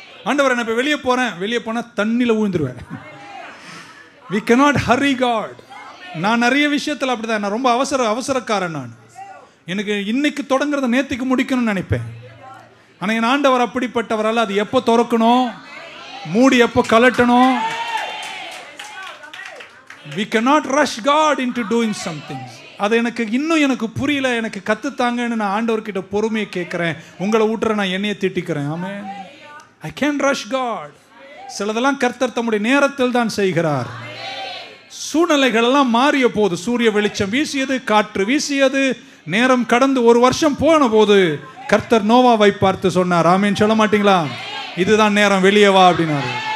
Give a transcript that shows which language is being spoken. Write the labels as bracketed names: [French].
[Tamil] ஆண்டவரை நான் வெளியே போறேன், வெளியே போனா தண்ணியில விழுந்துருவேன். [English] We cannot hurry God. [Tamil] நான் நிறைய விஷயத்துல அப்படிதான், நான் ரொம்ப அவசரக்காரன். நான் எனக்கு இன்னைக்கு தொடங்குறத நேத்துக்கு முடிக்கணும்னு நினைப்பேன். ஆனா என் ஆண்டவர் அப்படிப்பட்டவரால் அது எப்ப துறக்கணும், மூடி எப்ப கலட்டணும். [English] We cannot rush God into doing something. [Tamil] அது எனக்கு இன்னும் எனக்கு புரியல, எனக்கு கத்துத்தாங்கன்னு நான் ஆண்டவர்கிட்ட பொறுமையை கேட்குறேன். உங்களை ஊட்டுற நான் என்னைய திட்டிக்கிறேன். ஆமென். [English] I can't rush God. [Tamil] சிலதெல்லாம் கர்த்தர் தம்முடைய நேரத்தில் தான் செய்கிறார். சூழ்நிலைகள் எல்லாம் மாறிய போது, சூரிய வெளிச்சம் வீசியது, காற்று வீசியது, நேரம் கடந்து 1 வருஷம் போன போது கர்த்தர் நோவாவை பார்த்து சொன்னார், ஆமென் சொல்ல மாட்டீங்களா, இதுதான் நேரம் வெளியே வா அப்படின்னாரு.